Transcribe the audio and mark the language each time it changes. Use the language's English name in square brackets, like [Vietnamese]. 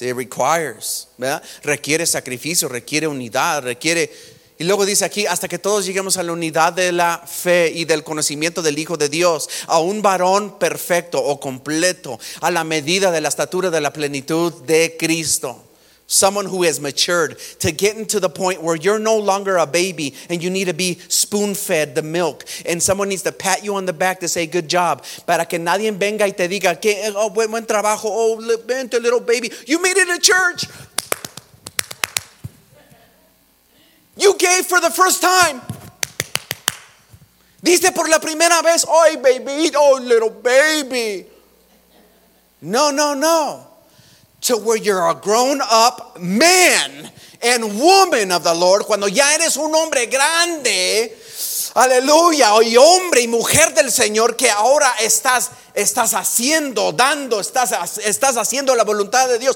[English] It requires, [Spanish] ¿verdad? Requiere sacrificio, requiere unidad, requiere. Y luego dice aquí, hasta que todos lleguemos a la unidad de la fe y del conocimiento del Hijo de Dios, a un varón perfecto o completo, a la medida de la estatura de la plenitud de Cristo. [English] Someone who has matured, to getting to the point where you're no longer a baby and you need to be spoon-fed the milk, and someone needs to pat you on the back to say good job, [Spanish] para que nadie venga y te diga que oh, buen trabajo, oh, vente, [English] little baby, you made it to church. You gave for the first time. [Spanish] Diste por la primera vez, [English] oh baby, oh little baby. No. To where you're a grown up man and woman of the Lord. [Spanish] Cuando ya eres un hombre grande, aleluya, y hombre y mujer del Señor, que ahora estás haciendo, dando, estás haciendo la voluntad de Dios.